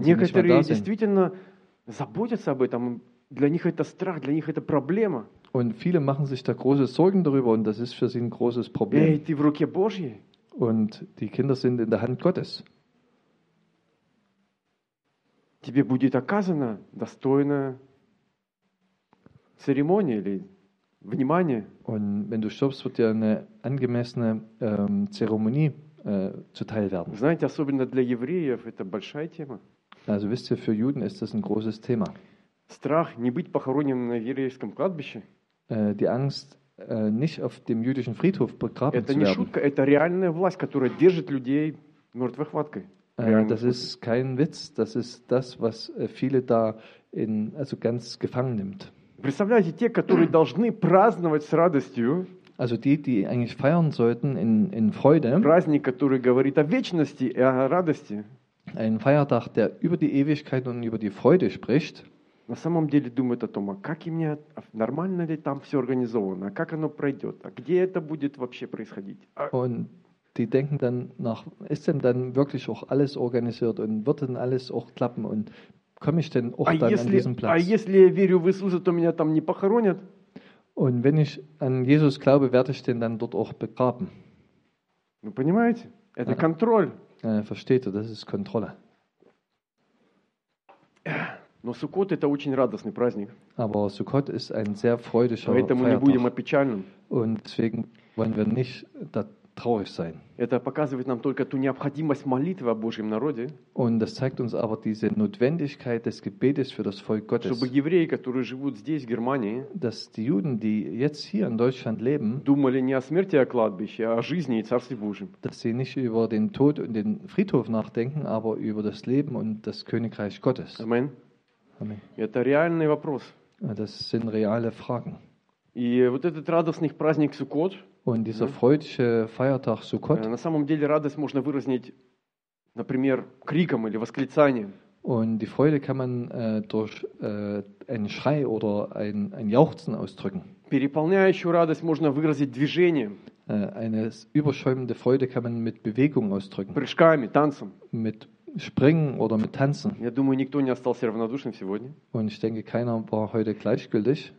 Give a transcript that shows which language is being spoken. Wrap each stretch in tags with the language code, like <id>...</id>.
<ru>Некоторые</ru> <de>sie nicht mehr da sind?</de> <ru>Действительно заботятся об этом. Для них это страх, для них это проблема.</ru> <de>Und viele machen sich da große Sorgen darüber und das ist für sie ein großes Problem.</de> <ru>Эй, ты в руке Божьей.</ru> <de>Und die Kinder sind in der Hand Gottes.</de> <ru>Тебе будет оказана достойная церемония или внимание.</ru> <de>Und wenn du stirbst, wird dir eine angemessene Zeremonie zuteil werden.</de> <ru>Знаете, особенно для евреев это большая тема.</ru> <de>Also wisst ihr, für Juden ist das ein großes Thema.</de> <ru>Страх не быть похороненным на еврейском кладбище.</ru> <de>Die Angst, nicht auf dem jüdischen Friedhof begraben zu werden.</de> <ru>Это не шутка, это реальная власть, которая держит людей мертвой хваткой.</ru> <de>Das ist kein Witz, das ist das, was viele da in, also ganz gefangen nimmt.</de> <ru>Представляете, те, которые должны праздновать с радостью,</ru> <de>also die, die eigentlich feiern sollten in Freude,</de> <ru>праздник, который говорит о вечности и о радости,</ru> <de>ein Feiertag, der über die Ewigkeit und über die Freude spricht,</de> <ru>на самом деле думает о том, а как и мне, нормально ли там все организовано, а как оно пройдет, а где это будет вообще происходить?</ru> <de>Und die denken dann nach, ist denn dann wirklich auch alles organisiert und wird denn alles auch klappen und komme ich denn auch dann an diesen Platz?</de> <ru>А если я верю в Иисуса, то меня там не похоронят?</ru> <de>Und wenn ich an Jesus glaube, werde ich den dann dort auch begraben.</de> <ru>Ну понимаете? Это контроль.</ru> <de>Versteht ihr, das ist Kontrolle.</de> <ru>Но Суккот это очень радостный праздник.</ru> <de>Aber Sukkot ist ein sehr freudischer Feiertag.</de> <ru>Поэтому не будем опечаленным.</ru> <de>Und deswegen wollen wir nicht da traurig sein.</de> <ru>Это показывает нам только ту необходимость молитвы о Божьем народе.</ru> <de>Und das zeigt uns aber diese Notwendigkeit des Gebetes für das Volk Gottes.</de> <ru>Чтобы евреи, которые живут здесь, в Германии,</ru> <de>dass die Juden, die jetzt hier in Deutschland leben,</de> <ru>думали не о смерти, о кладбище, а о жизни и Царстве Божьем.</ru> <de>Dass sie nicht über den Tod und den Friedhof nachdenken, aber über das Leben und das Königreich Gottes.</de> <ru>Amen.</ru> <de>Amen.</de> <ru>Это реальный вопрос.</ru> <de>Das sind reale Fragen.</de> <ru>И вот этот радостный праздник Суккот.</ru> <de>Und dieser freudische Feiertag Sukkot.</de> <ru>На самом деле радость можно выразить, например, криком или восклицанием.</ru> <de>Und die Freude kann man durch einen Schrei oder ein Jauchzen ausdrücken.</de> <ru>Переполняющую радость можно выразить движением.</ru> <de>Eine überschäumende Freude kann man mit Bewegung ausdrücken.</de> <ru>Прыжками, танцем.</ru> <de>Mit springen oder mit tanzen.</de> <ru>Я думаю, никто не остался равнодушным сегодня.</ru> <de>Und ich denke, keiner war heute gleichgültig.</de>